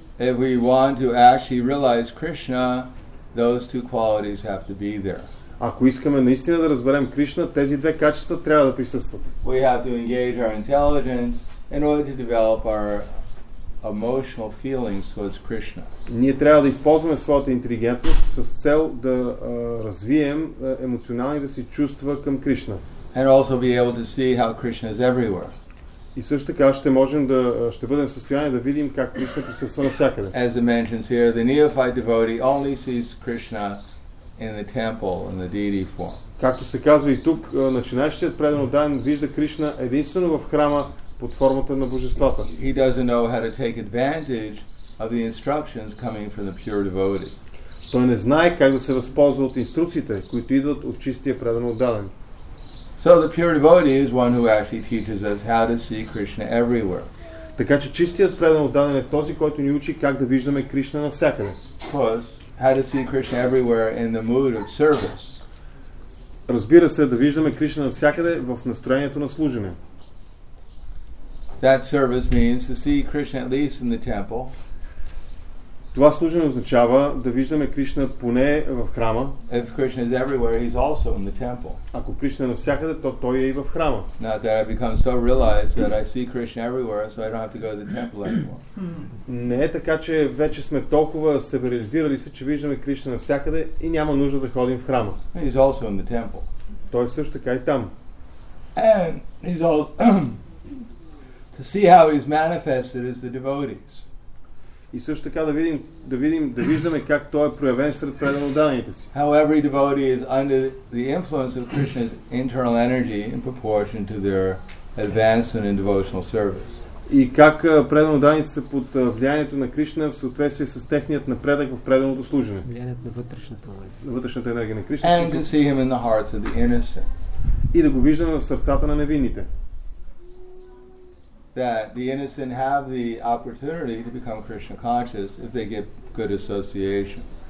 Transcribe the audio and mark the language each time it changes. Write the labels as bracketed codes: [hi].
[en] If we want to actually realize Krishna, those two qualities have to be there. [bg] Ако искаме наистина да разберем Кришна, тези две качества трябва да присъстват. [en] We have to engage our intelligence in order to develop our emotional feelings towards Krishna. [bg] Ние трябва да използваме своята интелигентност с цел да развием емоционалните си чувства към Кришна. [en] And also be able to see how Krishna is everywhere. [bg] И също така ще бъдем в състояние да видим как Кришна присъства навсякъде. [en] As it mentions here, the neophyte devotee only sees Krishna in the temple, in the deity form. [bg] Както се казва и тук, начинаещият преданодан вижда Кришна единствено в храма под формата на божествата. [en] He doesn't know how to take advantage of the instructions coming from the pure devotee. [bg] Той не знае как да се възползва от инструкциите, които идват от чистия преданодан. [en] So the pure devotee is one who actually teaches us how to see Krishna everywhere. [bg] Така че чистият преданодан е този, който ни учи как да виждаме Кришна навсякъде. [en] How to see Krishna everywhere in the mood of service. [bg] Разбира се, да виждаме Кришна навсякъде в настроението на служене. [en] That service means to see Krishna at least in the temple. [bg] Това служене означава да виждаме Кришна поне в храма. [en] If Krishna is everywhere, he's also in the temple. [bg] Ако Кришна е навсякъде, то той е и в храма. [en] Not that I become so realized that I see Krishna everywhere, so I don't have to go to the temple anymore. [bg] Не е така, че вече сме толкова себерализирали се, че виждаме Кришна навсякъде и няма нужда да ходим в храма. [en] He's also in the temple. [bg] Той също така и там. [en] And he's all to see how he's manifested as the devotees. [bg] И също така да виждаме как той е проявен сред преданоданите си. [en] How every devotee is under the influence of Krishna's internal energy in proportion to their advancement in devotional service. [bg] И как преданоданите са под влиянието на Кришна в съответствие с техният напредък в преданото служене. Влиянието на вътрешната енергия. Вътрешната енергия на Кришна. [en] And to see him in the hearts of the innocent. [bg] И да го виждаме в сърцата на невинните. [en] that the innocent have the opportunity to become Krishna conscious if they get good association.